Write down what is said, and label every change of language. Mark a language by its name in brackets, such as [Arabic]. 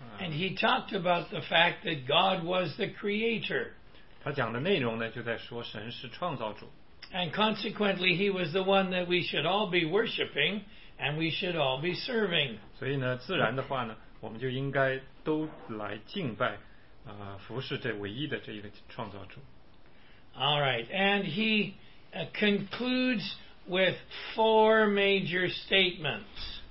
[English] And he talked about the fact that God was the creator. [Chinese] 他讲的内容呢就在说神是创造主。 [English] And consequently, he was the one that we should all be worshiping and we should all be serving. [Chinese] 所以呢自然的话呢我们就应该都来敬拜服侍这唯一的这一个创造主。 [English] All right, and he concludes with four major statements.